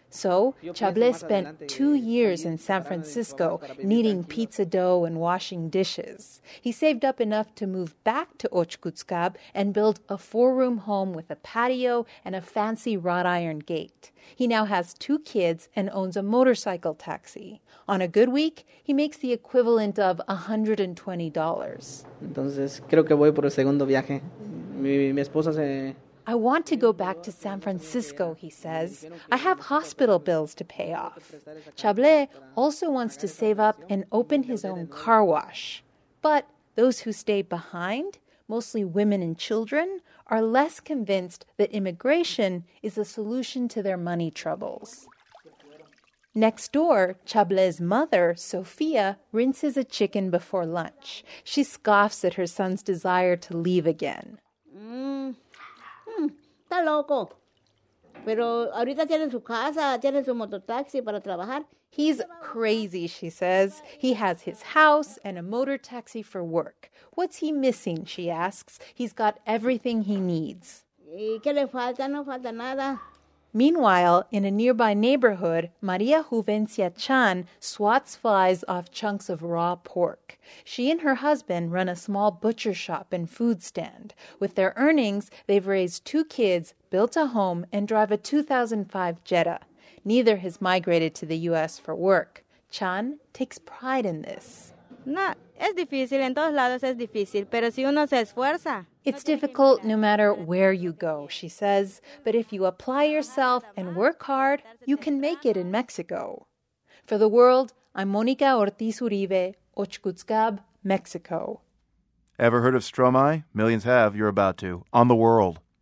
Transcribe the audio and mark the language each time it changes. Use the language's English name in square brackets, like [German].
[English] So Chablé spent 2 years in San Francisco kneading pizza dough and washing dishes. He saved up enough to move back to Ochkutska and build a four-room home with a patio and a fancy wrought iron gate. He now has two kids and owns a motorcycle taxi. On a good week, he makes the equivalent of $120. [Spanish] Entonces, creo que voy por el segundo viaje. Mi esposa se... [English] I want to go back to San Francisco, he says. I have hospital bills to pay off. Chablé also wants to save up and open his own car wash. But those who stay behind, mostly women and children, are less convinced that immigration is a solution to their money troubles. Next door, Chablé's mother, Sofia, rinses a chicken before lunch. She scoffs at her son's desire to leave again. [Spanish] Está loco. Pero ahorita tiene su casa, tiene su mototaxi para trabajar. [English] He's crazy, she says. He has his house and a motor taxi for work. What's he missing, she asks. He's got everything he needs. [Spanish] ¿Y qué le falta? No falta nada. [English] Meanwhile, in a nearby neighborhood, Maria Juvencia Chan swats flies off chunks of raw pork. She and her husband run a small butcher shop and food stand. With their earnings, they've raised two kids, built a home, and drive a 2005 Jetta. Neither has migrated to the U.S. for work. Chan takes pride in this. [Spanish] No, es difícil, en todos lados es difícil, pero si uno se esfuerza. [English] It's difficult no matter where you go, she says, but if you apply yourself and work hard, you can make it in Mexico. For The World, I'm Monica Ortiz Uribe, Ochkutska, Mexico. Ever heard of Stromae? Millions have, you're about to. On The World.